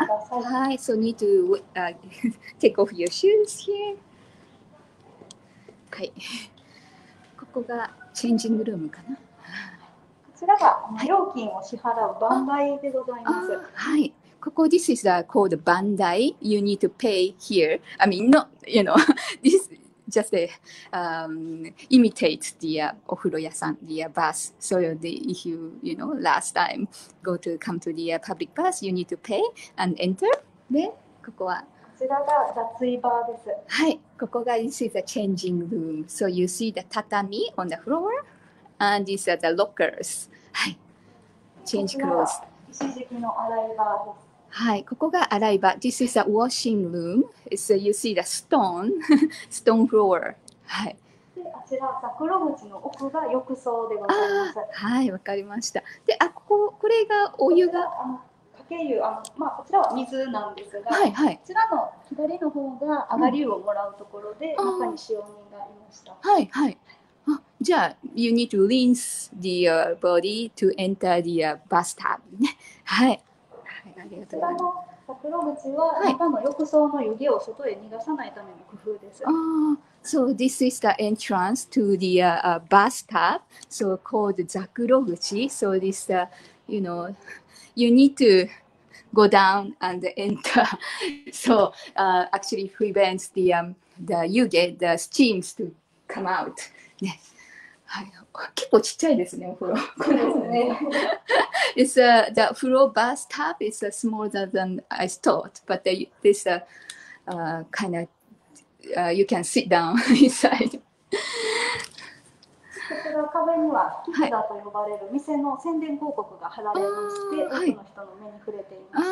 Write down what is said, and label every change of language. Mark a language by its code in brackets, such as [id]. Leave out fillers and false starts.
[en] Hi, so need to take off your shoes here. [ja] Okay. ここが changing room かな。こちらが料金を支払う番台でございます。 [en] はい。ここ this is called Bandai. You need to pay here. I mean, not you know, this is just a imitate the お風呂屋さん the bus. So the, if you you know last time go to come to the public bus, you need to pay and enter. [ja] で、ここはこちらが脱衣バーです。 [en] はい、ここが This is a changing room. So you see the 畳 on the floor and these are the lockers. はい、change clothes. [ja] 一時期の洗い場です。 [en] はい、ここが洗い場。This is a washing room. It's a, you see the stone stone floor. [ja] はい、こちら桜口の奥が浴槽でございます。あ、はい、わかりました。で、あ、ここ、これがお湯が、まあ、こちらは水なんですが、はいはい、こちらの左の方が上がり湯をもらうところで、うん、中に使用人がいました。 [en] はいはい。あ、じゃあ、you need to rinse the body to enter the bathtub ね。はい。 [ja] こちらの桜口は中の浴槽の湯気を外へ逃がさないための工夫です。はい、 [en] あ、So this is the entrance to the bathtub, so called zakuroguchi. So this, you know, you need to go down and enter. So actually prevents the 湯気, the steams to come out. [ja] ね、はい、結構ちっちゃいですね、お風呂。そうですね。 [en] It's the floor bathtub is smaller than I thought, but this kind of you can sit down inside. [ja] こちら壁にはキッザーと呼ばれる店の宣伝広告が貼られまして、はい、多くの人の目に触れていました。